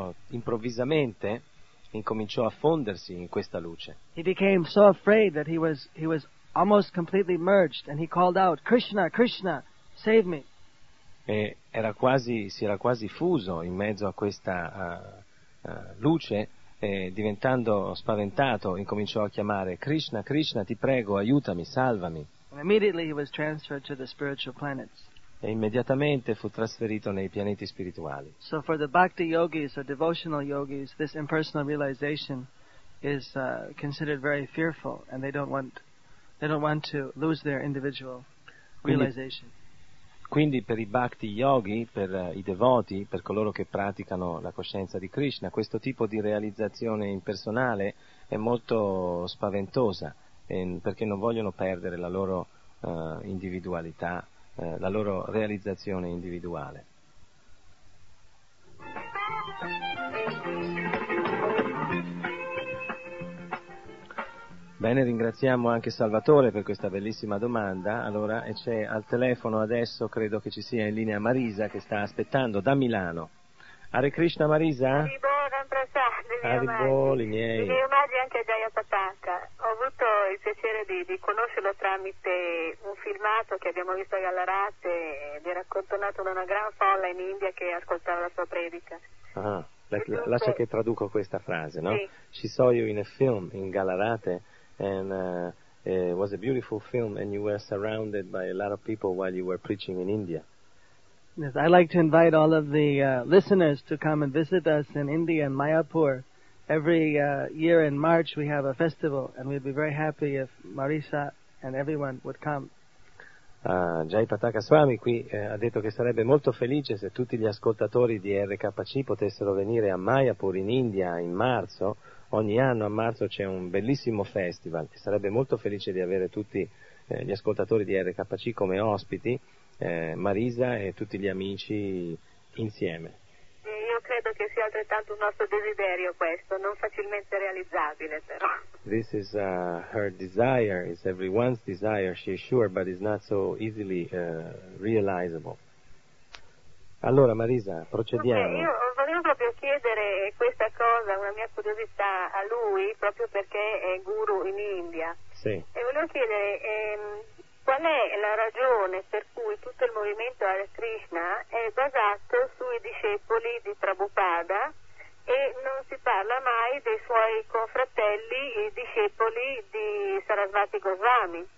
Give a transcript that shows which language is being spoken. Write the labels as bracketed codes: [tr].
[it] Improvvisamente incominciò a fondersi in questa luce. [en] He became so afraid that he was almost completely merged and he called out, Krishna, Krishna, save me. [it] E si era quasi fuso in mezzo a questa luce. E diventando spaventato incominciò a chiamare Krishna, Krishna, ti prego, aiutami, salvami. [en] And immediately he was transferred to the spiritual planets. [it] E immediatamente fu trasferito nei pianeti spirituali. [en] So for the bhakti yogis or devotional yogis, this impersonal realization is considered very fearful and they don't want They don't want to lose their individual realization. [it] Quindi per i bhakti yogi, per i devoti, per coloro che praticano la coscienza di Krishna, questo tipo di realizzazione impersonale è molto spaventosa, perché non vogliono perdere la loro individualità, la loro realizzazione individuale. Bene, ringraziamo anche Salvatore per questa bellissima domanda. Allora, e c'è al telefono adesso, credo che ci sia in linea Marisa che sta aspettando da Milano. Hare Krishna Marisa. Arriboli miei. I miei omaggi anche a Jaya Patanka. Ho avuto il piacere di conoscerlo tramite un filmato che abbiamo visto a Gallarate e vi era accontonato da una gran folla in India che ascoltava la sua predica. Ah, lascia che traduco questa frase, no? Sì. [en] She saw you in a film in Gallarate. And it was a beautiful film, and you were surrounded by a lot of people while you were preaching in India. Yes, I'd like to invite all of the listeners to come and visit us in India, in Mayapur. Every year in March we have a festival, and we'd be very happy if Marisa and everyone would come. [it] Jai Pataka Swami qui ha detto che sarebbe molto felice se tutti gli ascoltatori di RKC potessero venire a Mayapur in India in marzo. Ogni anno a marzo c'è un bellissimo festival e sarebbe molto felice di avere tutti gli ascoltatori di RKC come ospiti, Marisa e tutti gli amici insieme. Io credo che sia altrettanto un nostro desiderio questo, non facilmente realizzabile però. [en] This is her desire, it's everyone's desire, she is sure, but it's not so easily realizable. [it] Allora Marisa, procediamo. Okay, io volevo proprio chiedere questa cosa, una mia curiosità a lui, proprio perché è guru in India. Sì. E volevo chiedere qual è la ragione per cui tutto il movimento Hare Krishna è basato sui discepoli di Prabhupada e non si parla mai dei suoi confratelli, i discepoli di Sarasvati Goswami.